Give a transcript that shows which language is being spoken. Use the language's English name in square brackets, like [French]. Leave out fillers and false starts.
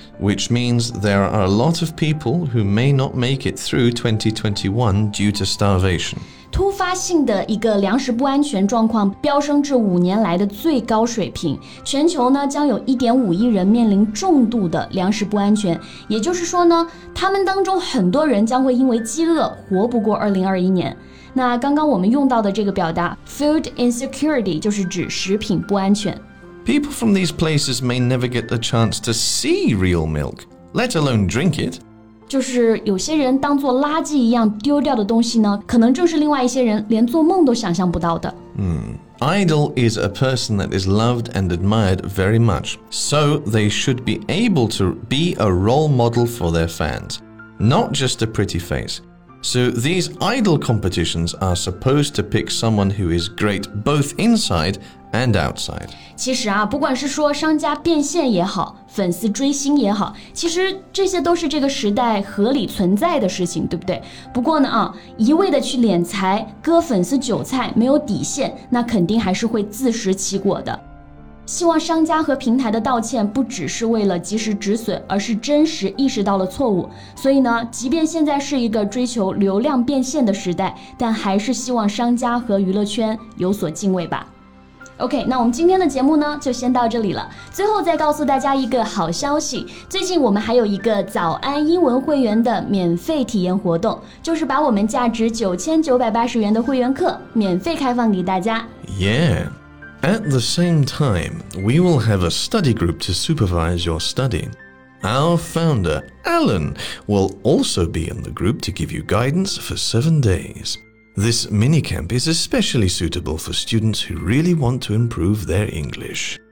[English] Which means there are a lot of people who may not make it through 2021 due to starvation. [Chinese] 突发性的一个粮食不安全状况飙升至五年来的最高水平，全球呢将有 1.5 亿人面临重度的粮食不安全，也就是说呢，他们当中很多人将会因为饥饿活不过2021年。那刚刚我们用到的这个表达 food insecurity 就是指食品不安全。 [English] People from these places may never get a chance to see real milk, let alone drink it. [Chinese] 就是有些人当做垃圾一样丢掉的东西呢，可能正是另外一些人连做梦都想象不到的。 [English] Idol is a person that is loved and admired very much, so they should be able to be a role model for their fans, not just a pretty face. So these idol competitions are supposed to pick someone who is great both inside and outside. [Chinese] 其实啊，不管是说商家变现也好，粉丝追星也好，其实这些都是这个时代合理存在的事情，对不对？不过呢啊，一味的去敛财，割粉丝韭菜，没有底线，那肯定还是会自食其果的。希望商家和平台的道歉不只是为了及时止损，而是真实意识到了错误。所以呢，即便现在是一个追求流量变现的时代，但还是希望商家和娱乐圈有所敬畏吧。 OK, 那我们今天的节目呢就先到这里了。最后再告诉大家一个好消息，最近我们还有一个早安英文会员的免费体验活动，就是把我们价值9980元的会员课免费开放给大家。 [English] Yeah, at the same time, we will have a study group to supervise your study. Our founder, Alan, will also be in the group to give you guidance for 7 days. This mini-camp is especially suitable for students who really want to improve their English.